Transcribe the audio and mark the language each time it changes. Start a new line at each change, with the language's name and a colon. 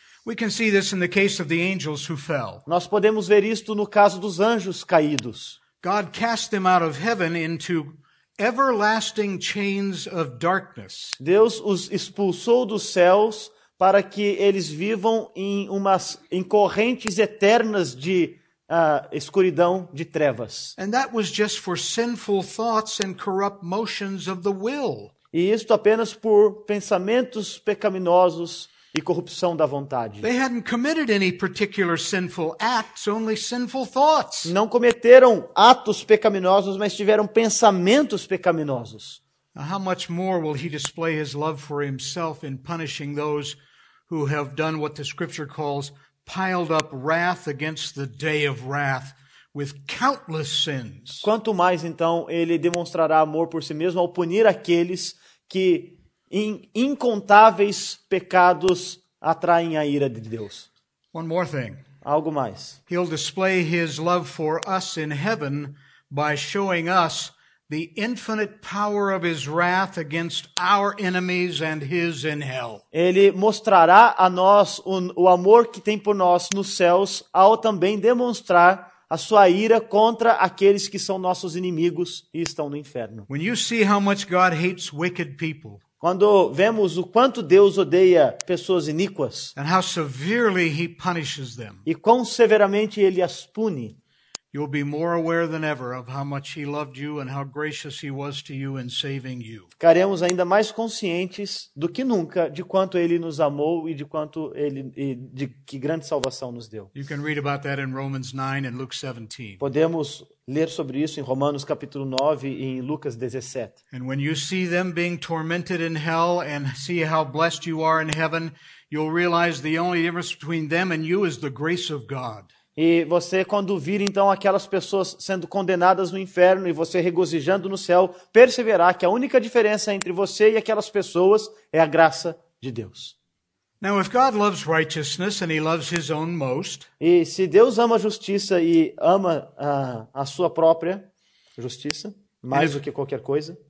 English: We can see this in the case of the angels who fell.
Portuguese: Nós podemos ver isto no caso dos anjos caídos.
English: God cast them out of heaven into everlasting chains of darkness.
Portuguese: Deus os expulsou dos céus para que eles vivam em correntes eternas de escuridão, de trevas.
English: And that was just for sinful thoughts and corrupt motions of the will.
Portuguese: E isto apenas por pensamentos pecaminosos e corrupção da vontade.
English: They hadn't committed any particular sinful acts, only sinful thoughts.
Portuguese: Não cometeram atos pecaminosos, mas tiveram pensamentos pecaminosos.
English: How much more will He display His love for Himself in punishing those who have done what the Scripture calls piled up wrath against the day of wrath with countless sins?
Portuguese: Quanto mais então Ele demonstrará amor por si mesmo ao punir aqueles que em incontáveis pecados atraem a ira de Deus.
English: One more thing.
Portuguese: Algo mais.
English: He'll display His love for us in heaven by showing us the infinite power of His wrath against our enemies and His in hell.
Portuguese: Ele mostrará a nós o amor que tem por nós nos céus ao também demonstrar a sua ira contra aqueles que são nossos inimigos e estão no inferno.
English: When you see how much God hates wicked people,
Portuguese: Quando vemos o quanto Deus odeia pessoas iníquas.
English: And how severely he punishes them.
Portuguese: E quão severamente ele as pune.
English: You'll be more aware than ever of how much he loved you and how gracious he was to you in saving you.
Portuguese: Ficaremos ainda mais conscientes do que nunca de quanto ele nos amou e de quanto ele e de que grande salvação nos deu.
English: You can read about that in Romans 9 and Luke 17.
Portuguese: Podemos ler sobre isso em Romanos capítulo 9 e em Lucas 17.
English: And when you see them being tormented in hell and see how blessed you are in heaven, you'll realize the only difference between them and you is the grace of God.
Portuguese: E você, quando vir então aquelas pessoas sendo condenadas no inferno e você regozijando no céu, perceberá que a única diferença entre você e aquelas pessoas é a graça de Deus.
English: Now, if God loves righteousness and he loves his own most,
Portuguese: e se Deus ama a justiça e ama a sua própria justiça, mais do que qualquer coisa,